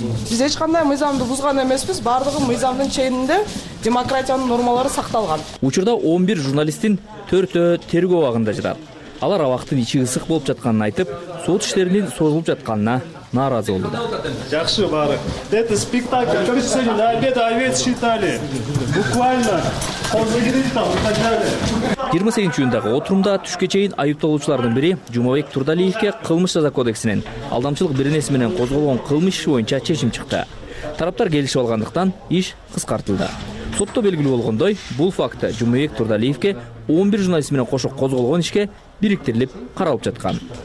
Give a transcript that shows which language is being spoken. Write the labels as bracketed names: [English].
[Kyrgyz] Биз эч кандай мыйзамды бузган эмеспиз, бардыгы мыйзамдын ченинде демократиянын нормалары сакталган. Учурда 11 журналисттин 4-ө тергөө багында жатат. Алар абактын ичи ысык болуп жатканын айтып, сот иштеринин созулуп жатканына нааразы болууда. Жакшы баары. [Russian] Это спектакль. Кто сегодня на обед овец считали? Буквально. Он выглядит там и так далее. [Kyrgyz] 28 июндагы отурумда түшкө чейин айыпталуучулардын бири Жумабек Турдалиевке кылмыш жаза кодексинин алдамчылык беренеси менен козголгон кылмыш иши боюнча чечим чыкты. Тараптар келишип алгандыктан иш кыскартылды. Сотто белгилүү болгондой, бул факты Жумабек Турдалиевке 11 журналист менен кошо козголгон ишке бириктирилип каралып жаткан.